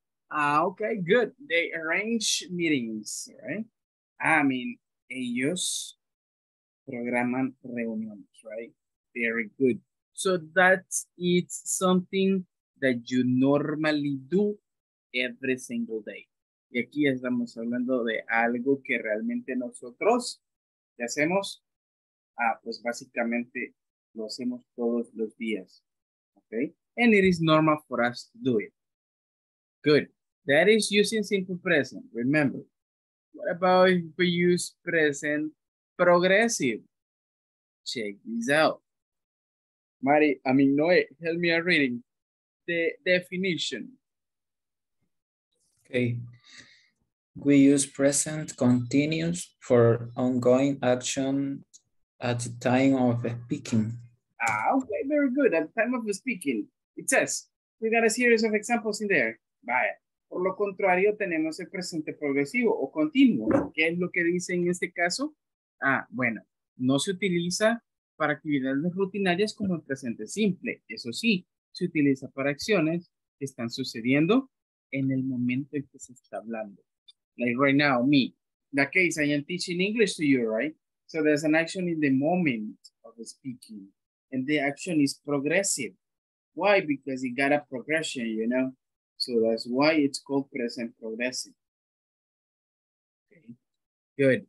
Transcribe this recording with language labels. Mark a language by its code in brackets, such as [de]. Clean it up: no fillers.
[en] Okay, good. They arrange meetings, right? [es] Ellos programan reuniones, [en] right? Very good. So that is something that you normally do every single day. [es] Y aquí estamos hablando de algo que realmente nosotros ¿qué hacemos? Básicamente lo hacemos todos los días. Okay? [en] And it is normal for us to do it. Good. That is using simple present. Remember. What about if we use present progressive? check this out. Mari, I mean, Noe, help me out reading the definition. Okay. We use present continuous for ongoing action at the time of speaking. Ah, okay, very good. At the time of speaking, it says, we got a series of examples in there. [es] Vaya. Por lo contrario, tenemos el presente progresivo o continuo. ¿Qué es lo que dice en este caso? Ah, bueno, no se utiliza para actividades rutinarias como el presente simple. Eso sí, se utiliza para acciones que están sucediendo en el momento en que se está hablando. [en] Like right now, me. In that case, I am teaching English to you, right? So there's an action in the moment of the speaking. And the action is progressive. Why? Because it got a progression, you know? So that's why it's called present progressive. Okay, good.